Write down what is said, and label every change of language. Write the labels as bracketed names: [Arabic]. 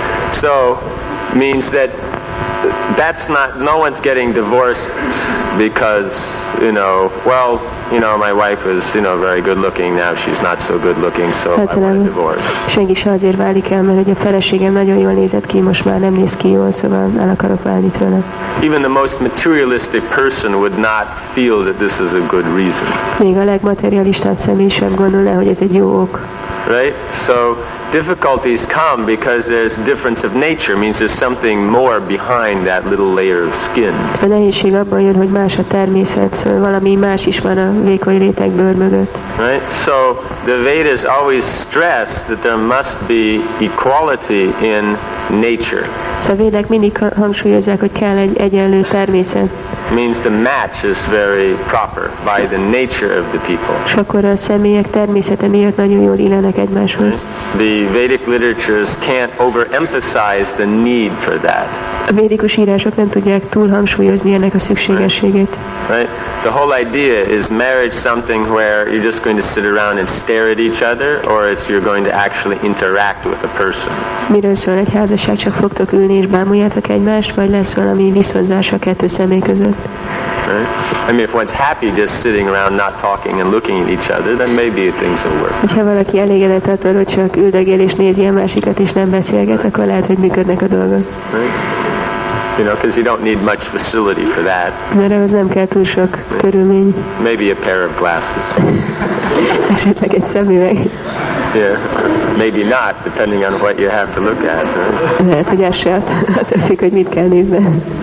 [English] So means that's not, no one's getting divorced because, you know, well, you know, my wife is, you know, very good looking, now she's not so good looking, so I want a divorce. [Hungarian] Senki se azért válik el, mert hogy a feleségem nagyon jól nézett ki, most már nem néz ki jól, szóval el akarok válni tőle. [English] Even the most materialistic person would not feel that this is a good reason. [Hungarian] Még a legmaterialistább személy sem gondolná, hogy ez egy jó ok. [English] Right? So difficulties come because there's difference of nature, means there's something more behind that little layer of skin. [Hungarian] A nehézség abban jön, hogy más a természet, szóval valami más is van a vékony réteg bőr mögött. [English] Right? So the Vedas always stress that there must be equality in nature. [Hungarian] Szóval a Védák mindig hangsúlyozzák, hogy kell egy egyenlő természet. [English] Means the match is very proper by the nature of the people. [Hungarian] És akkor a személyek természete miatt nagyon jól illenek egymáshoz. [English] The Vedic literatures can't overemphasize the need for that. [Hungarian] A védikus írások nem tudják túl hangsúlyozni ennek a szükségességét. [English] Right? The whole idea is marriage something where you're just going to sit around and stare at each other, or it's you're going to actually interact with a person. [Hungarian] Miről szól egy házasság, csak fogtok ülni és bámuljátok egymást, vagy lesz valami viszonzás a kettő személy között? [English] Right? I mean, if one's happy just sitting around not talking and looking at each other, then maybe things will work. [Hungarian] Ha valaki elégedett attól, hogy csak üldögél és nézi a másikat és nem beszélget, akkor lehet, hogy működnek a dolgok. [English] Right? You know, because you don't need much facility for that. [Hungarian] Mert ahhoz nem kell túl sok körülmény. [English] Maybe a pair of glasses. [Hungarian] Esetleg egy szemüveg. [English] Yeah, maybe not, depending on what you have to look at. Right? [Hungarian] Lehet, hogy ez se attól, hogy mit kell nézni.